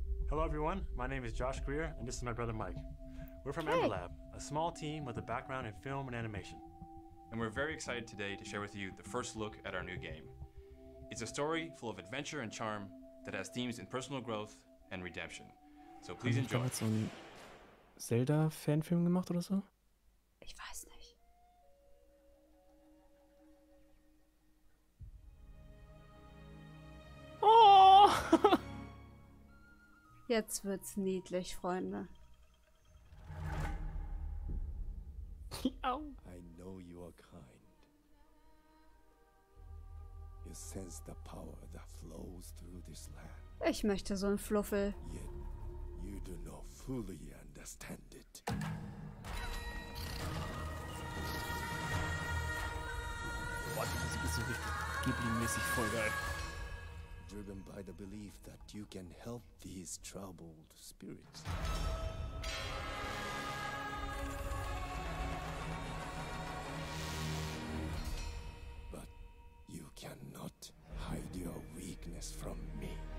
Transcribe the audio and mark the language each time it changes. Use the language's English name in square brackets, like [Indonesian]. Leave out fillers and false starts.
[English] Hello everyone, my name is Josh Greer and this is my brother Mike. We're from Ember Lab, a small team with a background in film and animation. And we're very excited today to share with you the first look at our new game. It's a story full of adventure and charm that has themes in personal growth and redemption. So please enjoy. [German] Haben wir gerade so einen Zelda-Fanfilm gemacht oder so? Ich weiß nicht. Oh! Jetzt wird's niedlich, Freunde. [English] I know you are kind. You sense the power that flows through this land. [German] Ich möchte so einen Fluffel. [English] Yet you do not fully understand it. [German] Boah, die Musik ist so richtig Ghibli-mäßig voll geil. [English] Driven by the belief that you can help these troubled spirits. But you cannot hide your weakness from me.